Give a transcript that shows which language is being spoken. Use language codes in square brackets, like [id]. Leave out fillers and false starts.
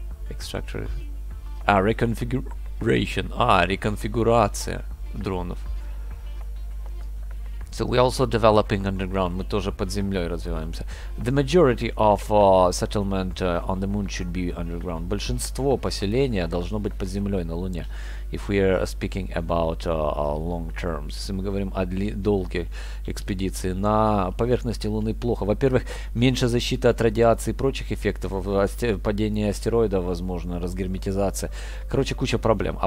[en] Extractor. А, reconfiguration. [ru] А, реконфигурация дронов. [en] So we're also developing underground. [ru] Мы тоже под землей развиваемся. [en] The majority of settlement on the moon should be underground. [ru] Большинство поселения должно быть под землей на Луне. [en] If we are speaking about long terms. [ru] Если мы говорим о долгих экспедиции. На поверхности Луны плохо. Во-первых, меньше защиты от радиации и прочих эффектов. Падение астероидов, возможно, разгерметизация. Короче, куча проблем.